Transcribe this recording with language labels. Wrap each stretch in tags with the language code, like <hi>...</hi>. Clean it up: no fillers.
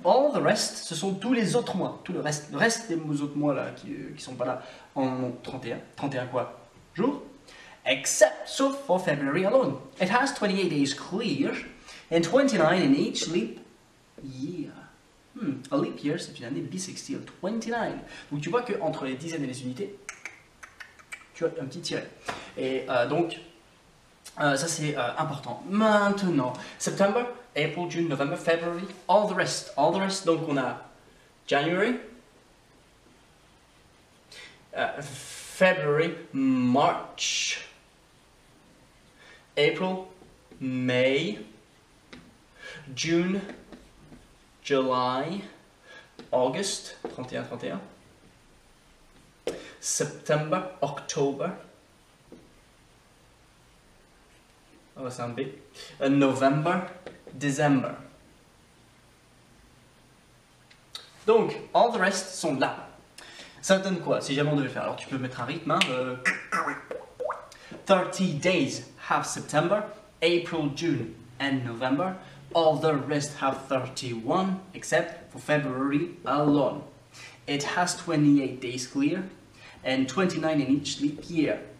<en>All the rest,</en> <fr>ce sont tous les autres mois. Tout le reste. Le reste des autres mois là, qui sont pas là en 31. 31 quoi? Jours.</fr> <en>Except so for February alone. It has 28 days clear and 29 in each leap year. A leap year,</en> <fr>c'est une année bissextile. 29. Donc tu vois qu'entre les dizaines et les unités, tu as un petit tiret. Et donc, ça c'est important.</fr> <en>Maintenant, September. April, June, November, February, all the rest. All the rest,</en> <fr>donc on a</fr> <en>January, February, March, April, May, June, July, August, 31-31, September, October,</en> <fr>oh, c'est un B.</fr> <en>November, December.</en> <fr>Donc,</fr> <en>all the rest</en> <fr>sont là. Ça donne quoi, si jamais on devait faire? Alors, tu peux mettre un rythme.</fr> <en>Hein, 30 days have September, April, June and November. All the rest have 31, except for February alone. It has 28 days clear and 29 in each leap year.</en>